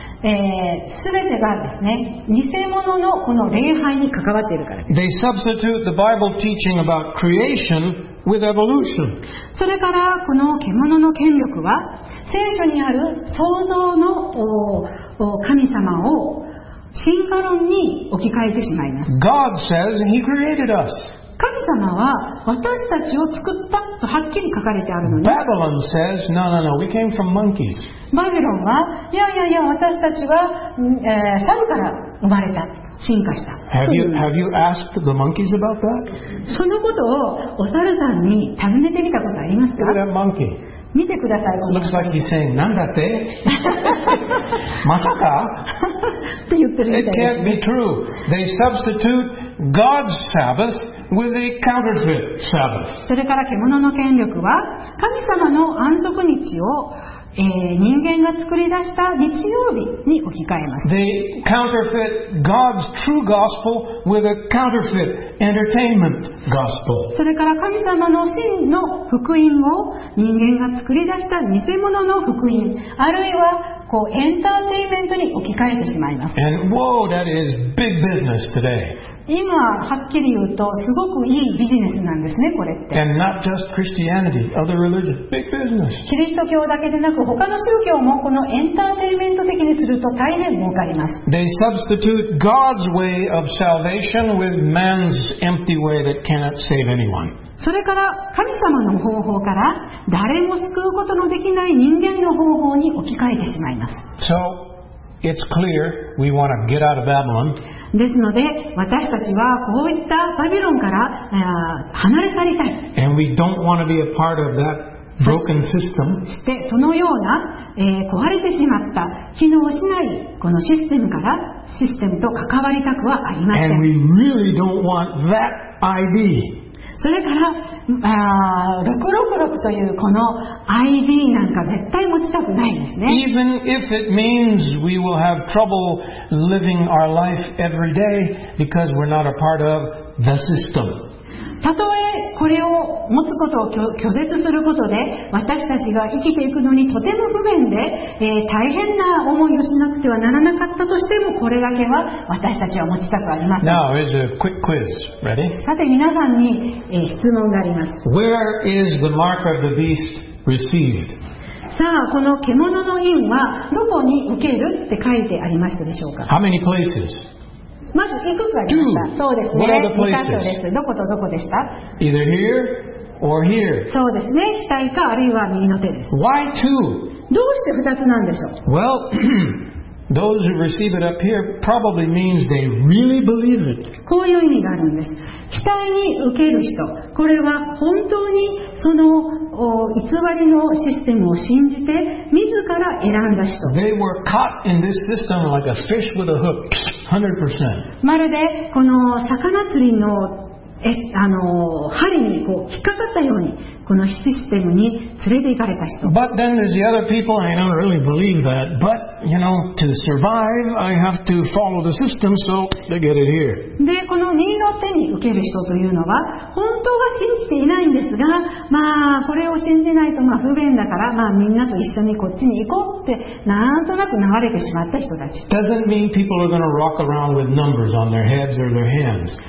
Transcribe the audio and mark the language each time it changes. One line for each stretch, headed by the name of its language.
Japanese: 全てがですね、偽物のこの礼拝に関わっているからです。
English: They substitute the Bible teaching about creation with evolution.
Japanese: それからこの獣の権力は聖書にある創造の神様を進化論に置き換えてしまいます。
English: God says He created us.
Japanese: 神様は私たちを作ったとはっきり書かれてあるのに、
English: Babylon says, no, no, no, we came from monkeys.
Japanese: バビロンは、いやいやいや、私たちは、猿から生まれた、進化した。
English: Have you asked the monkeys about that?
Japanese: そのことをお猿さんに尋ねてみたことありますか？
English: That monkey.
Japanese: 見てください。
English: Looks like he's saying,
Japanese: なんだって？まさか？って言ってるみたいです。
English: It can't be true. They substitute God's Sabbath with a counterfeit Sabbath.
Japanese: それから獣の権力は神様の安息日を人間が作り出した日曜日に置き換えます。
English: They counterfeit God's true gospel with a counterfeit entertainment gospel.
Japanese: それから神様の真の福音を人間が作り出した偽物の福音、あるいはこうエンターテインメントに置き換えてしまいます。
English: And whoa, that is big business today.
Japanese: 今はっきり言うとすごくいいビジネスなんですね、これって。
English: And not just Christianity, other religions, big business.
Japanese: キリスト教だけでなく他の宗教もこのエンターテインメント的にすると大変儲かります。
English: They substitute God's way of salvation with man's empty way that cannot save anyone.
Japanese: それから神様の方法から誰も救うことのできない人間の方法に置き換えてしまいます。
English: So, it's clear we want to get out of Babylon.
Japanese: ですので私たちはこういったバビロンから離れ去りたい。
English: And we don't want to be a part of that broken system.
Japanese: してそのような、壊れてしまった機能しないこのシステムからシステムと関わりたくはありません。
English: And we really don't want that ID.
Japanese: それから、666というこの ID なんか絶対持ちたくないですね。
English: Even if it means we will have trouble living our life every day because we're not a part of the system.
Japanese: たとえこれを持つことを拒絶することで私たちが生きていくのにとても不便で、大変な思いをしなくてはならなかったとしてもこれだけは私たちは持ちたくありません。
English: Now, here's a quick quiz. Ready?
Japanese: さて皆さんに、質問があります。
English: Where is the mark of the beast received?
Japanese: さあこの獣の印はどこに受けるって書いてありましたでしょうか。
English: How many places?
Japanese: まずいくつありました。そうですね、2箇所です。どことどこでした。
English: Either here or here.
Japanese: そうですね、下位かあるいは右の手です。
English: Why two?
Japanese: どうして2つなんでしょう。
English: Well, those who receive it up here probably means they really believe it.
Japanese: こういう意味があるんです。下位に受ける人、これは本当にその偽りのシステムを信じて自ら選んだ人。
English: They were caught in this system like a fish with a hook. 100%.
Japanese: まるでこの魚釣りの針にこう引っかかったようにこのシステムに連れて行かれた人。
English: But then there's the other people, and I don't really believe that. But, you know, to survive, I have to follow the system, so they get it here.
Japanese: で、この右の手に受ける人というのは、本当は信じていないんですが、まあ、これを信じないとまあ不便だから、まあ、みんなと一緒にこっちに行こうって、なんとなく流れてしまった人たち。
English: Doesn't mean people are going to rock around with numbers on their heads or their hands.